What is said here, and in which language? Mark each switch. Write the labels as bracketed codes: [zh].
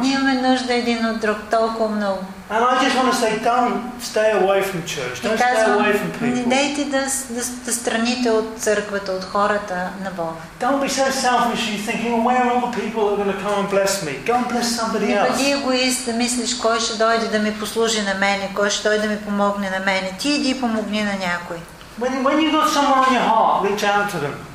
[bg] Ние имаме нужда един от друг толкова много. [en] And I just want to say, don't stay away from church. Don't stay away from people. [bg] Не дейте да страните от църквата, от хората на Бога. [en] Don't be so selfish you thinking, well, where are all the people that are going to come and bless me? Go and bless somebody else. [bg] Не бъди егоист да мислиш кой ще дойде да ми послужи на мене, кой ще дойде да ми помогне на мене. Ти иди помогни на някой. [en] When you got someone on your heart, reach out to them.